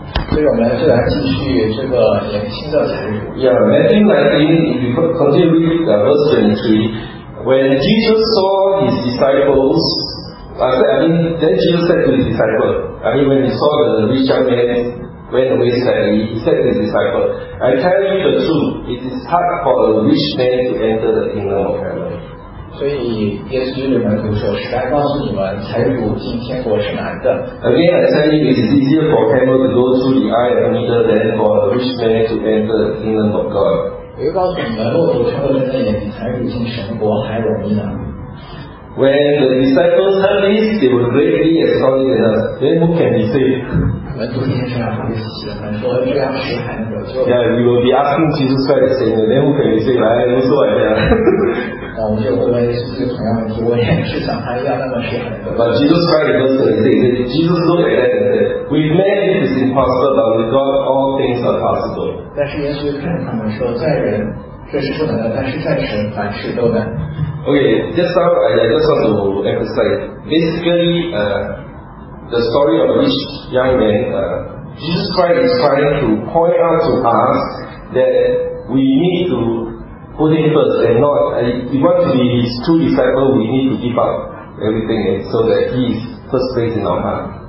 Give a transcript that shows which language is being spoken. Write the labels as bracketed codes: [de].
[zh] 所以我们就来继续这个年轻的财主。 [en] Yeah, Matthew 19, if you continue with verse 23, when Jesus saw his disciples, then Jesus said to his disciples, when he saw the rich young man went away sadly, he said to his disciples, I tell you the truth, it is hard for a rich man to enter the kingdom of heaven. [zh] 所以耶稣对门徒说，实在告诉你们，财主进天国是难的。 [en] Again, I tell you, it is easier for a camel to go through the eye of a needle than for a rich man to enter the kingdom of God. [zh] 我又告诉你们，骆驼穿过人的眼，比财主进神国还容易呢。 [en] When the disciples heard this, they were greatly astonished. Then who can be saved? [zh] 门徒听见了，就喜欢说，这样谁还能得救 [en] ？Yeah, we will be asking Jesus Christ the same. Then who can be saved? [zh] 来，你说一下。那我们就会问耶稣这个同样的问题，我也是想他一样，那么谁还能？ [en] But Jesus Christ is also saying, Jesus looked at that and said, "With man it is impossible, but with God all things are possible." [zh] 但是耶稣看他们说，在人这是不能的，但是在神凡事都能。 [en] Okay, just now I just want to emphasize. Basically, the story of this young man, Jesus Christ is trying to point out to us that we need to put it first and not, if we want to be his true disciple, we need to give up everything so that he is first place in our heart.